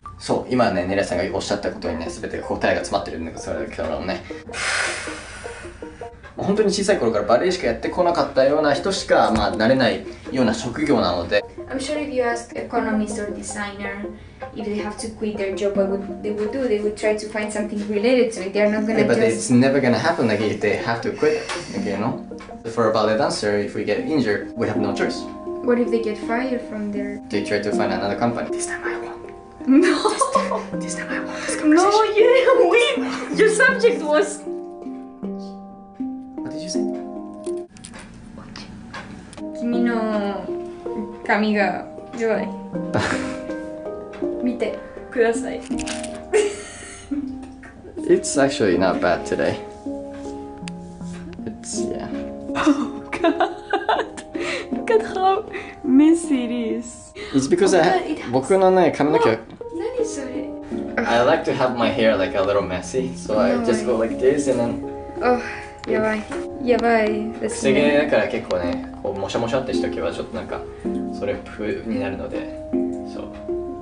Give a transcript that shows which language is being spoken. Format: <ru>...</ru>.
<ja>そう、今ね、ネレさんがおっしゃったことにね、すべて答えが詰まってるんだけど、それだけだろうね。本当に小さい頃からバレエしかやってこなかったような人しか、まあ、なれないような職業なので。</ja> <en>I'm sure if you ask economist or designer if they have to quit their job, what they would do? They would try to find something related to it. They are not gonna just... Yeah, but it's never gonna happen, like, if they have to quit, like, you know? For a ballet dancer, if we get injured, we have no choice. What if they get fired from their... They try to find another company. This time I won't. No! This time I won't. No, you didn't win! Your subject was. What did you say?</en> <ja>Kimi no kami ga やばい見てください</ja> <en>It's actually not bad today. It's, yeah. Oh, God! Look at how messy it is. It's because I have...</en> <ja>僕のね、髪の毛... 何それ?</ja> <en>I like to have my hair like a little messy, so I just go like this and then...</en> <ja>Oh, やばい。やばいですね。薄毛だから結構ね、こうもしゃもしゃってしておけばちょっとなんか、それ風になるので、そう。</ja>